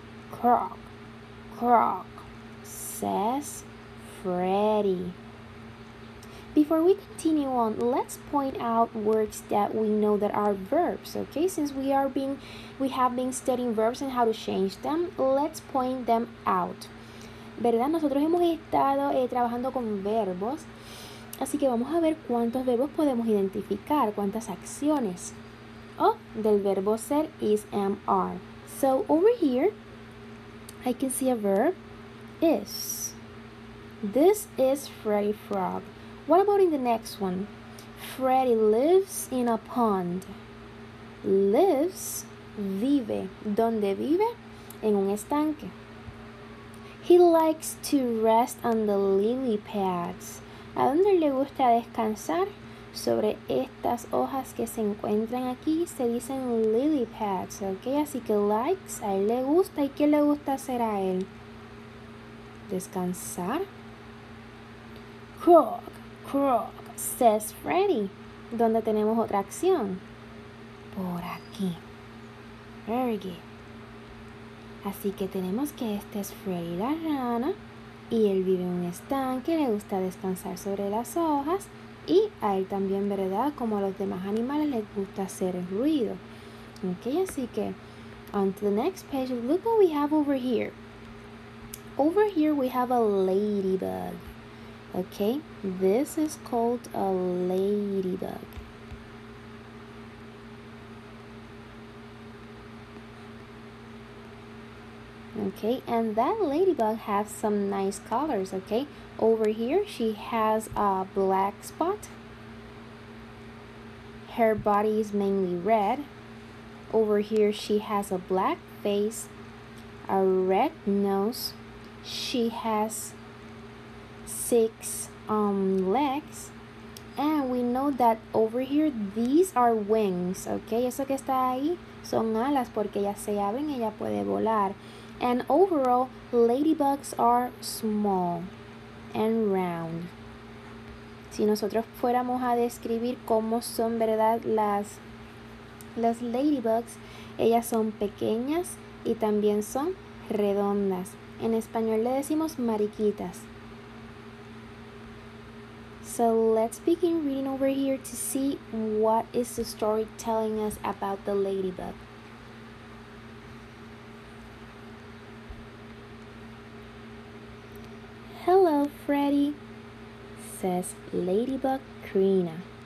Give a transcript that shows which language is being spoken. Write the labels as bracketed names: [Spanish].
[English] Croak, croak, says Freddy. Before we continue on, let's point out words that we know that are verbs, okay? Since we have been studying verbs and how to change them, let's point them out. [Spanish] ¿Verdad? Nosotros hemos estado trabajando con verbos. Así que vamos a ver cuántos verbos podemos identificar, cuántas acciones. Oh, del verbo ser, [English] is, am, are. So, over here, I can see a verb, is. This is Freddy Frog. What about in the next one? Freddy lives in a pond. Lives, [Spanish] vive. ¿Dónde vive? En un estanque. [English] He likes to rest on the lily pads. [Spanish] ¿A dónde le gusta descansar? Sobre estas hojas que se encuentran aquí, se dicen lily pads, ¿ok? Así que likes, a él le gusta. ¿Y qué le gusta hacer a él? [English] ¿Descansar? Croak, croak, says Freddy. [Spanish] ¿Dónde tenemos otra acción? Por aquí. [English] Very good. [Spanish] Así que tenemos que este es Freddy la rana. Y él vive en un estanque, le gusta descansar sobre las hojas. Y a él también, ¿verdad? Como a los demás animales, les gusta hacer el ruido. Ok, así que, [English] on to the next page, look what we have over here. Over here we have a ladybug. Ok, this is called a ladybug. Okay, and that ladybug has some nice colors, okay? Over here, she has a black spot. Her body is mainly red. Over here, she has a black face, a red nose. She has six legs. And we know that over here, these are wings, okay? [Spanish] Eso que está ahí son alas porque ellas se abren y ella puede volar. [English] And overall, ladybugs are small and round. [Spanish] Si nosotros fuéramos a describir cómo son, ¿verdad?, las ladybugs, ellas son pequeñas y también son redondas. En español le decimos mariquitas. [English] So let's begin reading over here to see what is the story telling us about the ladybug. Hello, Freddy, says Ladybug Krina.